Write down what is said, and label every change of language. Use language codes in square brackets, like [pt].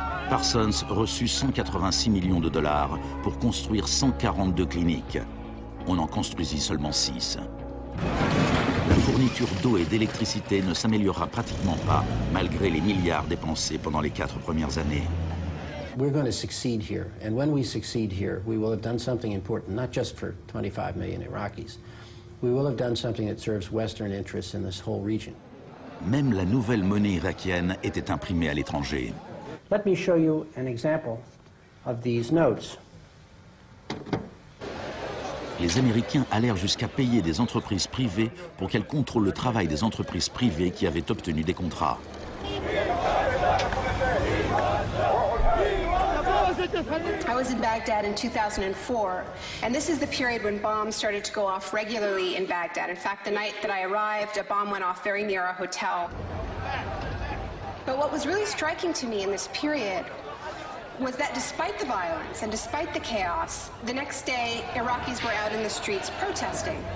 [fr] Parsons reçut 186 millions de dollars pour construire 142 cliniques. On en construisit seulement 6. La fourniture d'eau et d'électricité ne s'améliorera pratiquement pas, malgré les milliards dépensés pendant les quatre premières années. [en] We're going to succeed here, and when we succeed here, we will have done something important, not just for 25 million Iraqis. We will have done something that serves Western interests in this whole region. [fr] Même la nouvelle monnaie irakienne était imprimée à l'étranger. [en] Let me show you an example of these notes. [fr] Les Américains allèrent jusqu'à payer des entreprises privées pour qu'elles contrôlent le travail des entreprises privées qui avaient obtenu des contrats. [en] I was in Baghdad in 2004, and this is the period when bombs started to go off regularly in Baghdad. In fact, the night that I arrived, a bomb went off very near our hotel. But what was really striking to me in this period was that despite the violence and despite the chaos, the next day, Iraqis were out in the streets protesting.